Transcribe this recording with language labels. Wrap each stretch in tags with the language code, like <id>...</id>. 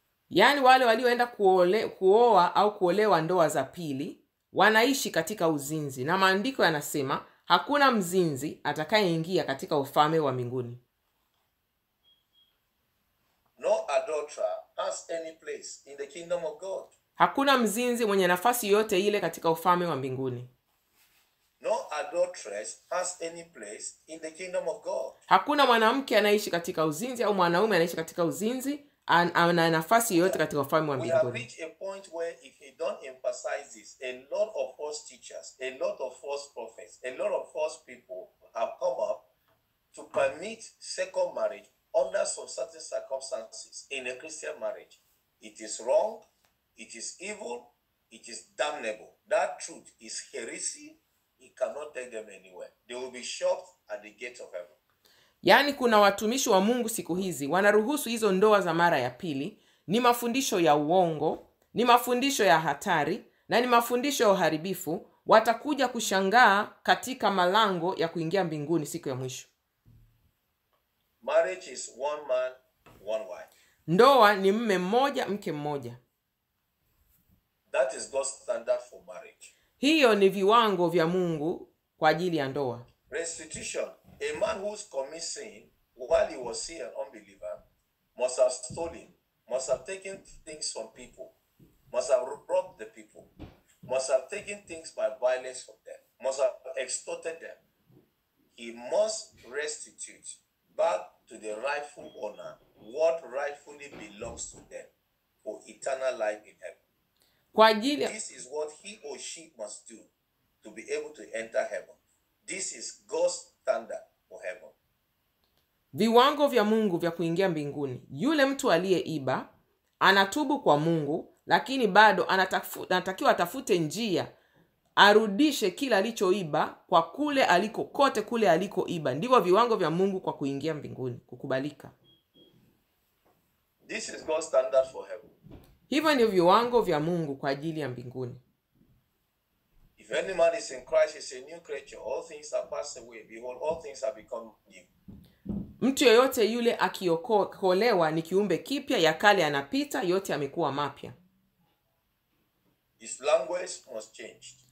<sw>Yani wale walioenda kuoa au kuolewa ndoa za pili wanaishi katika uzinzi, na maandiko yanasema hakuna mzinzi atakayeingia katika ufalme wa mbinguni.</sw> <en>No adulterer has any place in the kingdom of God.</en> <sw>Hakuna mzinzi mwenye nafasi yote ile katika ufalme wa mbinguni.</sw> <en>No adulteress has any place in the kingdom of God.</en> <sw>Hakuna mwanamke anaishi katika uzinzi au mwanaume anaishi katika uzinzi ana nafasi yote katika ufalme wa mbinguni.</sw> <en>We have reached a point where if you don't emphasize this, a lot of false teachers, a lot of false prophets, a lot of false people have come up to permit second marriage under some certain circumstances in a Christian marriage. It is wrong, it is evil, it is damnable. That truth is heresy. It cannot take them anywhere. They will be shocked at the gate of heaven.</en> <sw>Yaani kuna watumishi wa Mungu siku hizi wanaruhusu hizo ndoa za mara ya pili. Ni mafundisho ya uongo, ni mafundisho ya hatari, na ni mafundisho ya uharibifu. Watakuja kushangaa katika malango ya kuingia mbinguni siku ya mwisho.</sw> <en>Marriage is one man, one wife.</en> <sw>Ndoa ni mume mmoja, mke mmoja.</sw> <en>That is God's standard for marriage.</en> <sw>Hiyo ni viwango vya Mungu kwa ajili ya ndoa.</sw> <en>Restitution. A man who commits sin while he was still an unbeliever must have stolen, must have taken things from people, must have robbed the people, must have taken things by violence from them, must have extorted them. He must restitute back to the rightful owner what rightfully belongs to them for eternal life in heaven.</en> <sw>Kwa ajili,</sw> <en>this is what he or she must do to be able to enter heaven. This is God's standard.</en> <sw>Viwango vya Mungu vya kuingia mbinguni. Yule mtu aliyeiba anatubu kwa Mungu, lakini bado anatakiwa atafute njia arudishe kila alichoiba kwa kule aliko, kote kule alikoiba. Ndivyo viwango vya Mungu kwa kuingia mbinguni, kukubalika.</sw> <en>This is God's standard for heaven.</en> <sw>Hivyo ndivyo viwango vya Mungu kwa ajili ya mbinguni.</sw> <en>If any man is in Christ, is a new creature. All things have passed away. Behold, all things have become new.</en> <sw>Mtu yeyote yule akiokolewa ni kiumbe kipya, ya kale yanapita, yote yamekuwa mapya.</sw> <en>His language must change.</en>